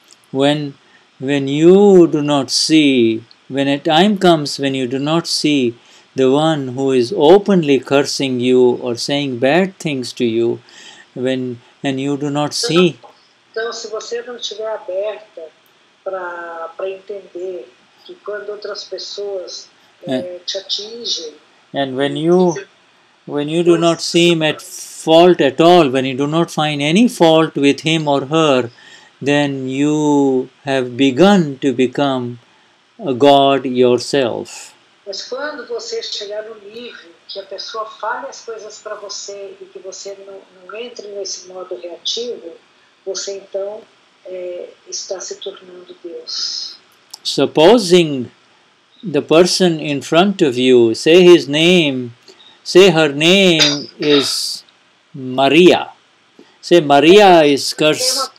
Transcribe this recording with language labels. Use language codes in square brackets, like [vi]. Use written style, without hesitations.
[en] When you do not see, when a time comes when you do not see the one who is openly cursing you or saying bad things to you, and you do not see. [pt] Então, se você não estiver aberta para entender que quando outras pessoas te atingem. [en] And when you do not seem at fault at all, when you do not find any fault with him or her, then you have begun to become a god yourself. [pt] Mas quando você chegar no nível que a pessoa fale as coisas para você e que você não entre nesse modo reativo, você então está se tornando Deus. [en] Supposing the person in front of you, say his name, say her name is Maria. Say Maria is cursed.